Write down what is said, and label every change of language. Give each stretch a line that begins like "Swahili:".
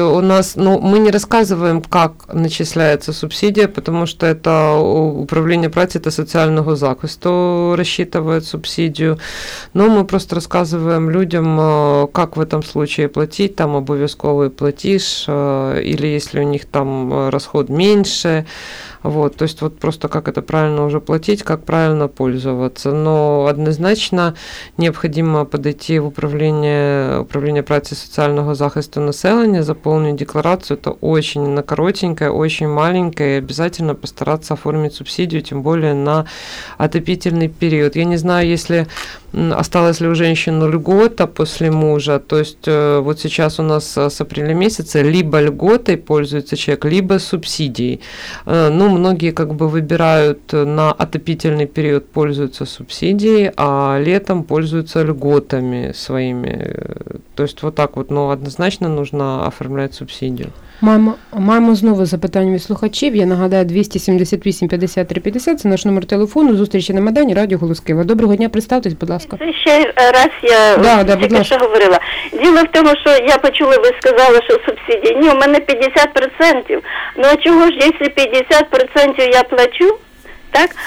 Ukrainian: У нас, ну, ми не розказуємо, як начисляється субсидія, тому що це управління праці та соціального захисту розрахує субсидію. Ну, ми просто розказуємо людям, як в цьому випадку платити, там обов'язковий платіж, або якщо у них там розход менше.
Russian: Вот, то есть вот просто как это правильно уже платить, как правильно пользоваться. Но однозначно необходимо подойти в управление
Ukrainian: праці соціального захисту населення, заповнити декларацію,
Russian: это очень на коротенькое, очень маленькое, и обязательно постараться оформить субсидию, тем более на отопительный период. Я не знаю, если осталась ли у женщины льгота после мужа, то есть вот сейчас у нас с апреля месяца либо льготой пользуется человек, либо субсидией. Ну, многие как бы выбирают на отопительный период пользуются субсидией, а летом пользуются льготами своими. То есть вот так вот, но однозначно нужно оформлять субсидию.
Ukrainian: Маємо знову запитання від слухачів. Я нагадаю, 278-53-50, це наш номер телефону, зустрічі на Майдані, радіо «Голос Києва». Доброго дня, представтесь, будь ласка. Це ще раз я тільки що говорила. Діло в тому, що я почула, ви сказали, що субсидії. Ні, у мене 50%. Ну, а чого ж, якщо 50% я плачу, так?